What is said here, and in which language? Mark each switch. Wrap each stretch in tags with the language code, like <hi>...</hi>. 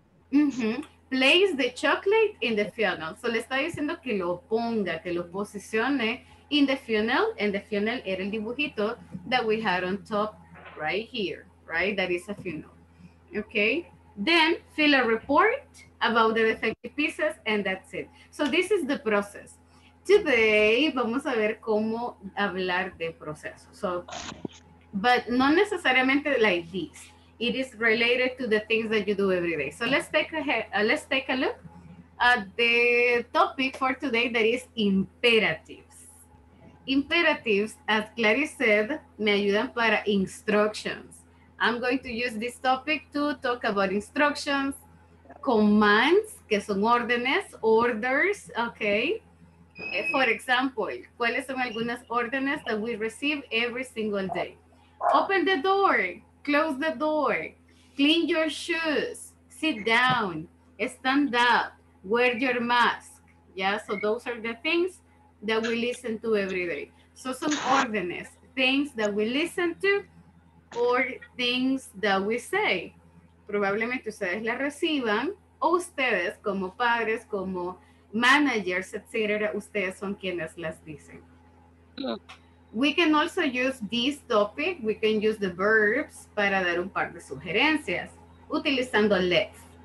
<en>Mm-hmm. Place the chocolate in the funnel. So</en> <es>le está diciendo que lo ponga, que lo posicione</es> <en>in the funnel. And the funnel</en> <es>era el dibujito</es> <en>that we had on top right here, right? That is a funnel. Okay. Then fill a report about the defective pieces and that's it. So this is the process.</en> <es>Today, vamos a ver cómo hablar de proceso.</es> <en>So, but not necessarily like this. It is related to the things that you do every day. So let's take a look at the topic for today that is imperatives. Imperatives, as Clarice said,</en> <es>me ayudan para</es> <en>instructions. I'm going to use this topic to talk about instructions, commands,</en> <es>que son órdenes,</es> <en>orders, okay? For example,</en> <es>¿cuáles son algunas órdenes</es> <en>that we receive every single day? Open the door, close the door, clean your shoes, sit down, stand up, wear your mask. Yeah, so those are the things that we listen to every day. So some órdenes, things that we listen to or things that we say.</en> <es>Probablemente ustedes la reciban o ustedes como padres, como managers, etc., ustedes son quienes las dicen.</es> <en>We can also use this topic, we can use the verbs</en> <es>para dar un par de sugerencias, utilizando</es> <en>let's.</en>